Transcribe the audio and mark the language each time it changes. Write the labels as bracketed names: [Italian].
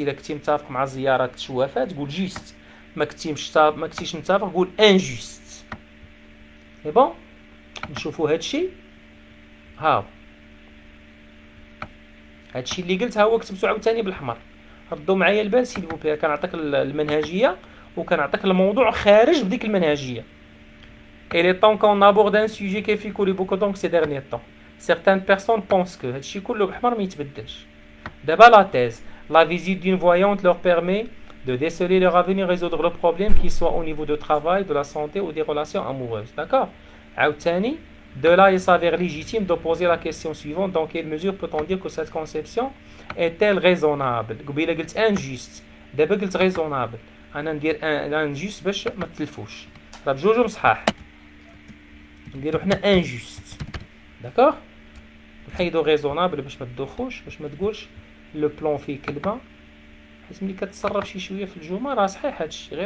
[Arabic] الى كنتي متفق مع زياره تشوافات قول جوست، ما كنتيش متفق قول انجوست. اي بون نشوفوا هذا الشيء. هاو هذا الشيء اللي قلت ها هو كتبته عاوتاني بالاحمر. ردوا معايا البال سي فو بي، كنعطيك المنهجيه وكنعطيك الموضوع خارج بديك المنهجيه. [French] Il est temps qu'on aborde un sujet qui a fait couler beaucoup d'encre ces derniers temps. Certaines personnes pensent que [Arabic] هادشي كله بحمر ما يتبدلش. دابا لا تيز، [French] la visite d'une voyante leur permet de déceler leur avenir et résoudre le problème qu'ils soient au niveau de travail, de la santé ou des relations amoureuses. D'accord؟ [Arabic] عاوتاني، [French] de là il s'avère légitime de poser la question suivante. Dans quelle mesure peut-on dire que cette conception est-elle raisonnable؟ [Arabic] قبيلا قلت [French] injuste، [Arabic] دابا قلت [French] raisonnable. [Arabic] انا ندير injuste باش ما تلفوش. طب جوج مصحاح. نديرو حنا انجوست داكوغ، نحيدو غيزونابل باش ما تدوخوش، باش ما تقولش لو بلون فيه كلمه، حيت ملي كتصرف شي شويه في الجمله راه صحيح هادشي.